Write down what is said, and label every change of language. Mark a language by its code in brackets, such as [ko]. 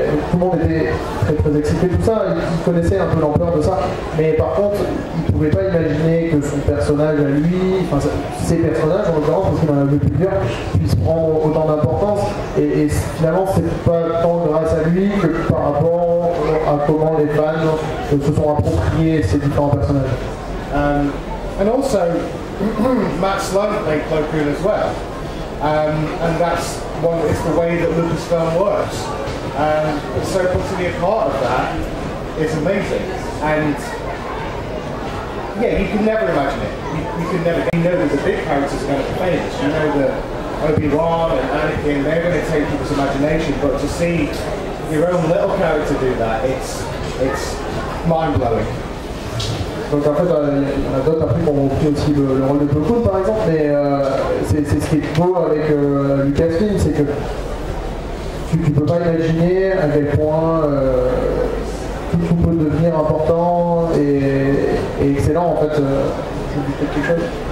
[fr] Tout le monde était très très excité, tout ça, il connaissait un peu l'ampleur de ça, mais par contre, il ne pouvait pas imaginer que son personnage à lui, enfin ses personnages en l'occurrence, parce qu'il en a vu plusieurs, puissent prendre autant d'importance, et finalement, c'est pas tant grâce à lui que par rapport à comment les fans se sont appropriés ces différents personnages. [en] And also, Matt Sloan played Plo Koon as well, and that's one, it's the way that Lucasfilm works. So to be a part of that is amazing, and yeah, you can never imagine it. You can never. You know that the big characters are going to play this. You know that Obi-Wan and Anakin, they're going to take people's imagination. But to see your own little character do that, it's mind blowing. [fr] Donc en fait, il y en a d'autres après qui ont pris aussi le rôle de Plo Koon par exemple, mais c'est ce qui est beau avec Lucasfilm, c'est que tu peux pas imaginer à quel point tout peut devenir important et excellent en fait, quelque chose.